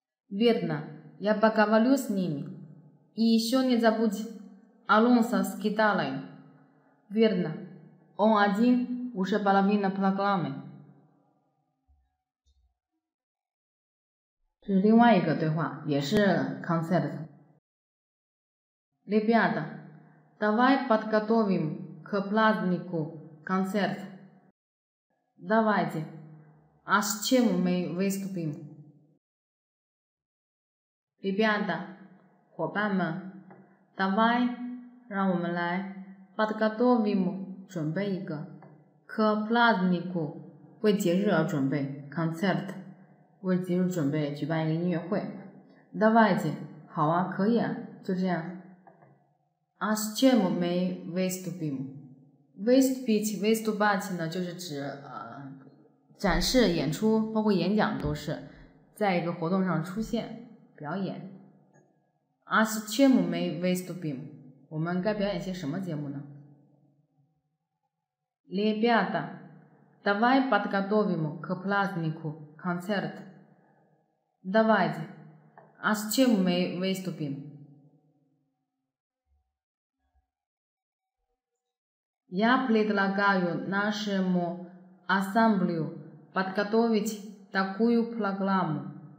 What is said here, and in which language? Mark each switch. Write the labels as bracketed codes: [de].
[ru] Верно Я поговорю с ними И еще не забудь Алонсо с гитарой Верно Он один уже половина программы. [zh] 这是另外一个对话，也是 concert. [ru] Ребята, давай подготовим к празднику концерт. Давайте. А с чем мы выступим? Ребята, [zh] 伙伴们 [ru] давай, [zh] 让我们来 [ru] подготовим. [zh] 准备一个 [ru] к празднику [zh] 为节日而准备 концерт 为节日准备举办一个音乐会 [ru] давайте [zh] 好啊可以啊就这样 [ru] а с чем мы выступим [zh] выступить выступать 呢就是指、展示演出包括演讲都是在一个活动上出现表演 [ru] а с чем мы выступим [zh] 我们该表演些什么节目呢 [ru] Ребята, давай подготовим к празднику концерт. Давайте. А с чем мы выступим? Я предлагаю нашему ассамблею подготовить такую программу.